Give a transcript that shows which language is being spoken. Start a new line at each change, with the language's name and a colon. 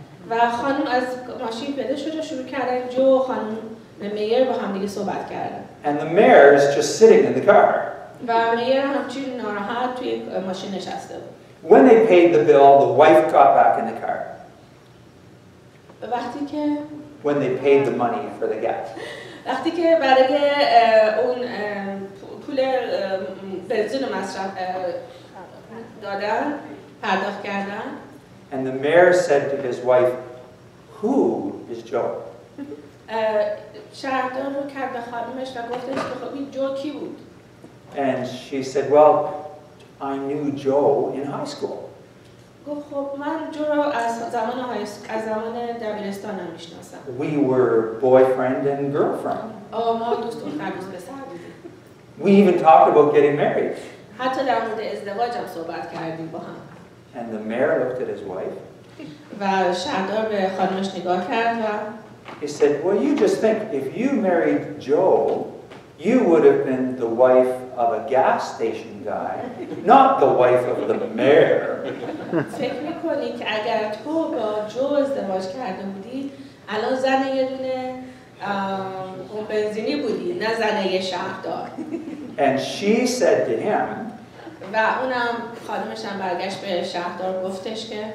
Persian: و خانم از ماشین پیاده شد و شروع کردن جو خانم و مایر با هم دیگه صحبت کردن.
English: And the mayor is just sitting in the car.
Persian: و مایر همچنین ناراحت توی ماشین نشسته بود.
English: When they paid the bill, the wife got back in the car.
Persian: وقتی که
English: When they paid the money for the gas.
Persian: وقتی که برای اون پول بنزین مصرف دادن، پرداخت کردن.
English: And the mayor said to his wife, "Who is Joe?"
Persian: شهردار رو کرد به خانمش و گفتش که خب این جو کی بود؟
English: And she said, well, I knew Joe in high school.
Persian: گفت خب من جو رو از زمان دبیرستان هم میشناسم.
English: We were boyfriend and girlfriend.
Persian: ما دوست و خلوص به سر بودیم.
English: We even talked about getting married.
Persian: حتی در مورد ازدواج هم صحبت کردیم با هم.
English: And the mayor looked at his wife.
Persian: و شهردار به خانمش نگاه کرد و
English: He said, well, you just think, if you married Joe, you would have been the wife of a gas station guy, not the wife of the mayor.
Persian: فکر میکنی که اگر تو با جو ازدواج کرده بودی، الان زن یه دونه اون بنزینی بودی، نه زن یه شهردار.
English: And she said to him,
Persian: و اونم خانمش هم برگشت به شهردار گفتش که,